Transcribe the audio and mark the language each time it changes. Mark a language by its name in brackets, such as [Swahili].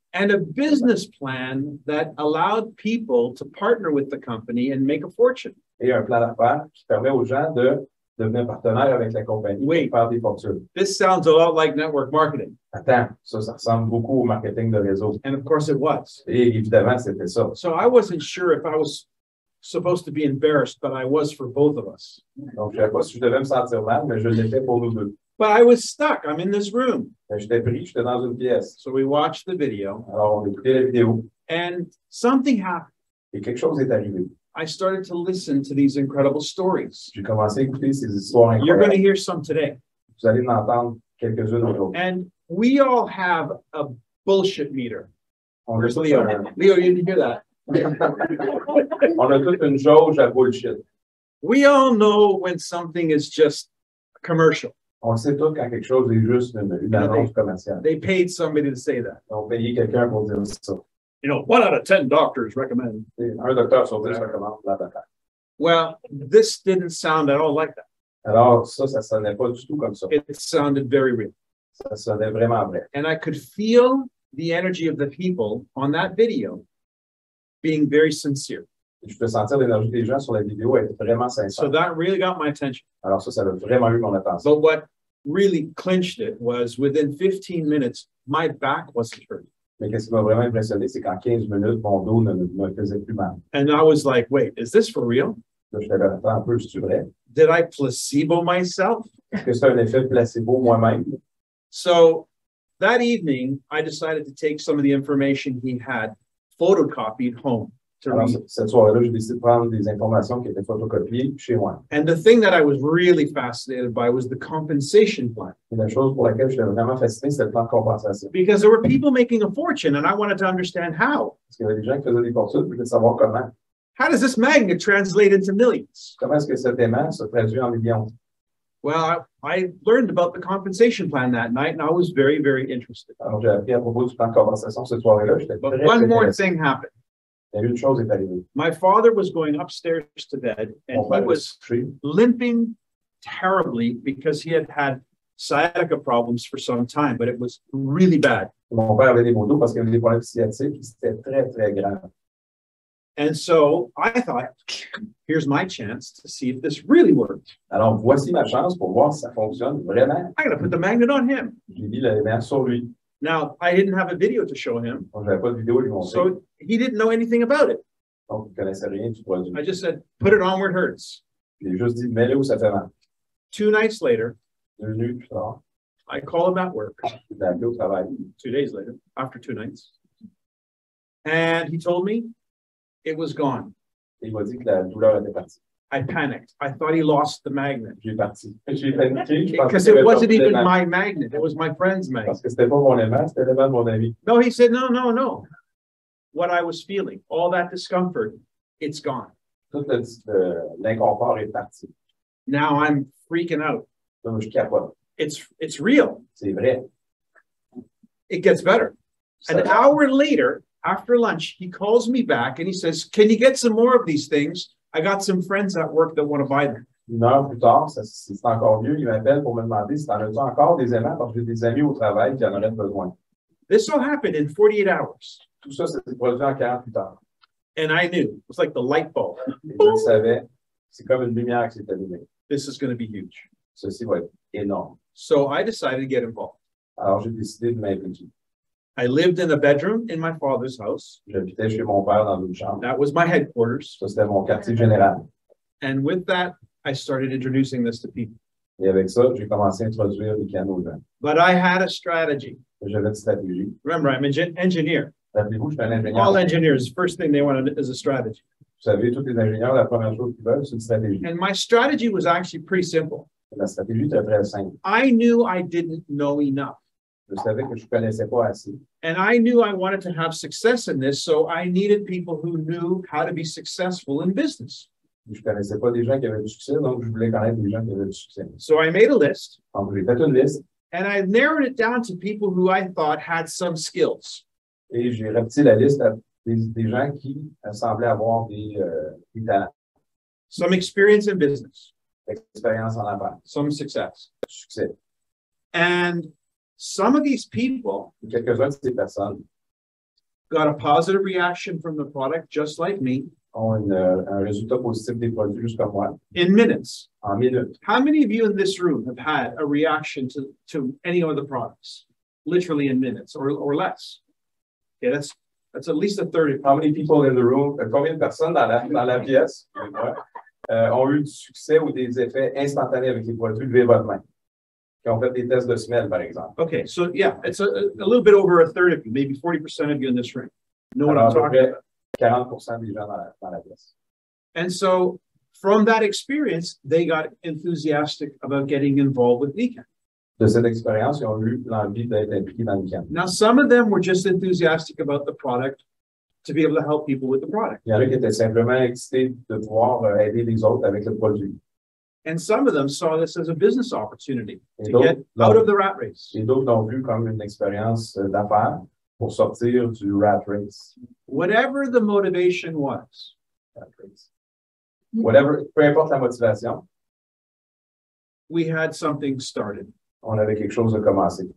[English] And a business plan that allowed people to partner with the company and make a fortune. [French] Et un plan d'affaires qui permet aux gens de devenir partenaire avec la compagnie. [English] Wait, [French] pour faire des fortunes. [English] This sounds a lot like network marketing. [French] Attends, ça ressemble beaucoup au marketing de réseau. [English] And of course it was. [French] Et évidemment, c'était ça. [English] So I wasn't sure if I was supposed to be embarrassed, but I was for both of us. [French] Donc, je ne sais pas si je devais me sentir mal, mais je l'étais pour nous deux. [English] But I was stuck. I'm in this room. [French] J'étais pris, j'étais dans une pièce. [English] So we watched the video. [French] Alors, on écoutait la vidéo. [English] And something happened. [French] Et quelque chose est arrivé. [English] I started to listen to these incredible stories. [French] J'ai commencé à écouter ces histoires incroyables. [English] You're going to hear some today. [French] Vous allez en entendre quelques-unes aujourd'hui. [English] And we all have a bullshit meter. [French] On a [English] Leo. Leo, you didn't hear that. [French] On a toute une jauge à bullshit. [English] We all know when something is just commercial. [French] On sait tout quand quelque chose est juste une annonce commerciale. [English] They paid somebody to say that. [French] On paye quelqu'un pour dire ça. [English] You know, one out of 10 doctors recommend. [French] Un docteur sur 10 recommande la bataille. [English] Well, this didn't sound at all like that. [French] Alors, ça sonnait pas du tout comme ça. [English] It sounded very real. [French] Ça sonnait vraiment vrai. [English] And I could feel the energy of the people on that video being very sincere. [French] Et je peux sentir l'énergie des gens sur la vidéo être vraiment sincère. [English] So that really got my attention. [French] Alors ça a vraiment eu mon attention. [English] But what really clinched it was within 15 minutes, my back wasn't hurting. [French] Mais qu'est-ce qui m'a vraiment impressionné, c'est qu'en 15 minutes, mon dos ne faisait plus mal. [English] And I was like, wait, is this for real? [French] Là, je t'avais attendu un peu, c'est-tu vrai? [English] Did I placebo myself? [French] Est-ce que c'est un effet placebo moi-même? [English] So, that evening, I decided to take some of the information he had photocopied home to [French] Alors, [English] read. [French] Cette soirée-là, j'ai décidé de prendre des informations qui étaient photocopiées chez moi. [English] And the thing that I was really fascinated by was the compensation plan. [French] Et la chose pour laquelle j'étais vraiment fasciné, c'était le plan de compensation. [English] Because there were people making a fortune, and I wanted to understand how. [French] Parce qu'il y avait des gens qui faisaient des fortunes, je voulais savoir comment. [English] How does this magnet translate into millions? [French] Comment est-ce que cet aimant se traduit en millions? [English] Well, I learned about the compensation plan that night, and I was very, very interested. [French] Alors, j'ai appris à propos du plan de compensation cette soirée-là, j'étais très intéressé. [English] One more thing happened. [French] Et une chose est arrivée. [English] My father was going upstairs to bed, and he was limping terribly because he had had sciatica problems for some time, but it was really bad. [French] Mon père avait des maux de dos parce qu'il avait des problèmes sciatiques, c'était très, très grave. [English] And so I thought, here's my chance to see if this really worked. [French] Alors voici ma chance pour voir si ça fonctionne vraiment. [English] I gotta put the magnet on him. [French] J'ai mis l'aimant sur lui. [English] Now I didn't have a video to show him. [French] Donc, j'avais pas de vidéo à lui montrer. [English] So he didn't know anything about it. [French] Donc, il connaissait rien du produit. [English] I just said, put it on where it hurts. [French] J'ai juste dit, mets-le où ça fait mal. [English] Two nights later, [French] deux nuits plus tard, [English] I call him at work. [French] J'ai appelé au travail. [English] Two days later, after two nights, and he told me. It was gone. [French] Il m'a dit que la douleur était partie. [English] I panicked. I thought he lost the magnet. [French] J'ai parti. J'ai paniqué. [English] Because it wasn't even my magnet. It was my friend's magnet. [French] Parce que c'était pas mon aimant, c'était pas mon ami. [English] No, he said, no, no, no. What I was feeling, all that discomfort, it's gone. [French] Tout l'inconfort est parti. [English] Now I'm freaking out. [French] Donc, je capote. [English] It's real. [French] C'est vrai. [English] It gets better. An hour later, after lunch, he calls me back and he says, can you get some more of these things? I got some friends at work that want to buy them. [French] Une heure plus tard, c'est encore mieux. Il m'appelle pour me demander si t'en as encore des aimants parce que j'ai des amis au travail qui en auraient besoin. [English] This all happened in 48 hours. [French] Tout ça, c'est produit en 48 heures. [English] And I knew. It was like the light bulb. [French] Je le savais. C'est comme une lumière qui s'est allumée. [English] This is going to be huge. [French] Ceci va être énorme. [English] So I decided to get involved. [French] Alors, j'ai décidé de m'impliquer. [English] I lived in a bedroom in my father's house. [French] J'habitais chez mon père dans une chambre. [English] That was my headquarters. [French] Ça, c'était mon quartier général. [English] And with that, I started introducing this to people. [French] Et avec ça, j'ai commencé à introduire les canaux aux gens. [English] But I had a strategy. [French] J'avais une stratégie. [English] Remember, I'm an engineer. [French] Rappelez-vous, je suis un ingénieur. [English] All engineers, first thing they want is a strategy. [French] Vous savez, tous les ingénieurs, la première chose qu'ils veulent, c'est une stratégie. [English] And my strategy was actually pretty simple. [French] La stratégie était très simple. [English] I knew I didn't know enough. [French] Je savais que je connaissais pas assez. [English] And I knew I wanted to have success in this, so I needed people who knew how to be successful in business. [French] Je connaissais pas des gens qui avaient du succès, donc je voulais connaître des gens qui avaient du succès. [English] So I made a list. [French] Donc, j'ai fait une liste. [English] And I narrowed it down to people who I thought had some skills. [French] Et j'ai rapetissé la liste à des gens qui semblaient avoir des talents. [English] Some experience in business. [French] Expérience en affaires. [English] Some success. [French] Succès. [English] And some of these people [French] quelques-uns de ces personnes [English] got a positive reaction from the product, just like me. [French] Un résultat positif des produits, juste comme moi. [English] In minutes. [French] En minutes. [English] How many of you in this room have had a reaction to any of the products? Literally in minutes or less. Okay, that's at least a third. How many people in the room, [French] combien de personnes dans la pièce ont eu du succès ou des effets instantanés avec les produits? Levez votre main. Qui ont fait des tests de semelle, par exemple. [English] Okay, so yeah, it's a little bit over a third of you, maybe 40% of you in this room. Know what I'm talking about. [French] 40% des gens dans la pièce. [English] And so, from that experience, they got enthusiastic about getting involved with Weekend. [French] De cette expérience, ils ont eu l'envie d'être impliqués dans Weekend. [English] Now, some of them were just enthusiastic about the product, to be able to help people with the product. [French] Il y en a qui étaient simplement excités de pouvoir aider les autres avec le produit. [English] And some of them saw this as a business opportunity to get out of the rat race. [French] Et d'autres l'ont vu comme une expérience d'affaires pour sortir du rat race. [English] Whatever the motivation was. [French] Rat race. [English] Whatever, [French] peu importe la motivation. [English] We had something started. [French] On avait quelque chose à commencer.